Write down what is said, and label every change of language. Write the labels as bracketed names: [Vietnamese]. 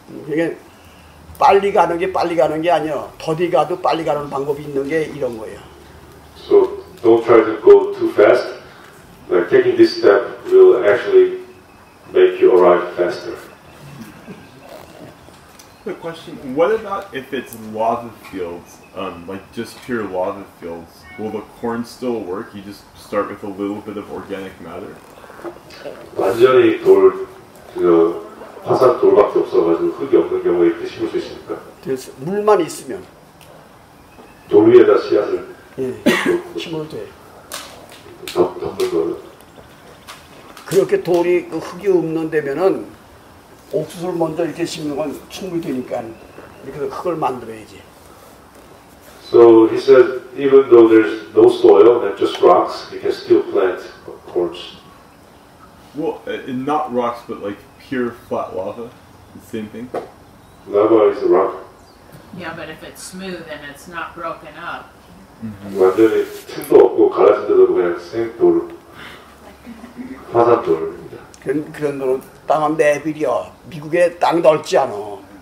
[Korean] 이게 빨리 가는 게 아니요. 더디 가도 빨리 가는 방법이 있는 게 이런 거예요. [English] So don't try to go too fast. Like taking this step will actually make you arrive faster. The question, what about if it's lava fields, like just pure lava fields, will the corn still work? You just start with a little bit of organic matter? [Korean] 완전히 돌, 화산 돌밖에 없어가지고 흙이 없는 경우에 이렇게 심을 수 있습니까? 물만 있으면. 돌 위에다 씨앗을 심어도 돼. 덮는 거는. 그렇게 돌이 그 흙이 없는 데면은 옥수수를 먼저 이렇게 심는 건 충분히 되니까 이렇게 흙을 만들어야지. [English] So he said, even though there's no soil and just rocks, you can still plant corns. Well, not rocks, but like pure flat lava, the same thing. Lava is a rock. Yeah, but if it's smooth and it's not broken up. Mm-hmm. [Korean] 완전히 틈도 없고 갈라진 데도 그냥 생돌, 화산돌입니다. 그런 그런 거로 땅을 내비려 미국에 땅 넓지 않아.